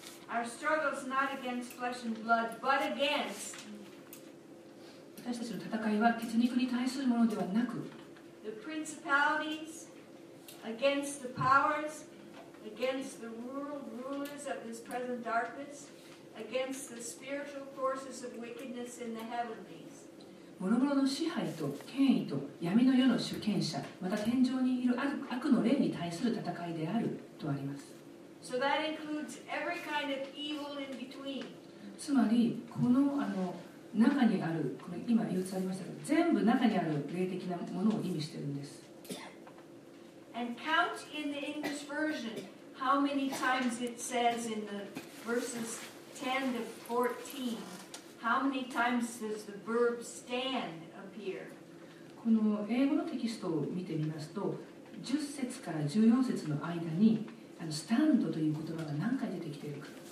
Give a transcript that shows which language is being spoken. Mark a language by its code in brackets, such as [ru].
[en] Our struggle is not against flesh and blood, but against [ja] 私たちの戦いは血肉に対するものではなく、 [en] The principalities against the powers, against the rulers of this present darkness. Against the spiritual forces of wickedness in the heavenlies. [ja] 諸々の支配と権威と闇の世の主権者、また天上にいる悪の霊に対する戦いであるとあります。 [en] So that includes every kind of evil in between. [ja] つまりこの中にあるこれ今言うつありましたけど、全部中にある霊的なものを意味しているんです。 [en] And count in the English version how many times it says in the verses. 10 to 14, how many times does the verb stand appear? [ja] この英語のテキストを見てみますと、10節から14節の間に、stand という言葉が何回出てきているか。